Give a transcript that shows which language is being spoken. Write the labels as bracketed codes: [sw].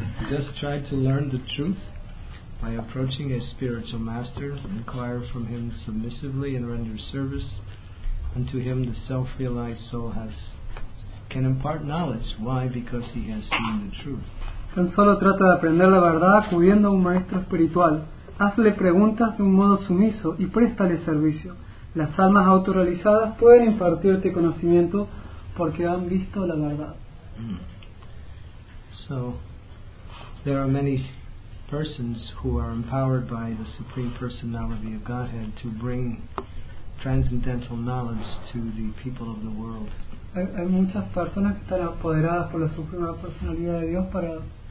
[en] Just try to learn the truth by approaching a spiritual master, inquire from him submissively and render service. Unto him the self-realized soul can impart knowledge. Why? Because he has seen the truth. [es] Tan solo trata de aprender la verdad acudiendo a un maestro espiritual. Hazle preguntas de un modo sumiso y préstale servicio. Las almas autorrealizadas pueden impartirte conocimiento porque han visto la verdad. [en] So, there are many persons who are empowered by the Supreme Personality of Godhead to bring transcendental knowledge to the people of the world. [es] Hay muchas personas que están apoderadas por la Suprema Personalidad de Dios para...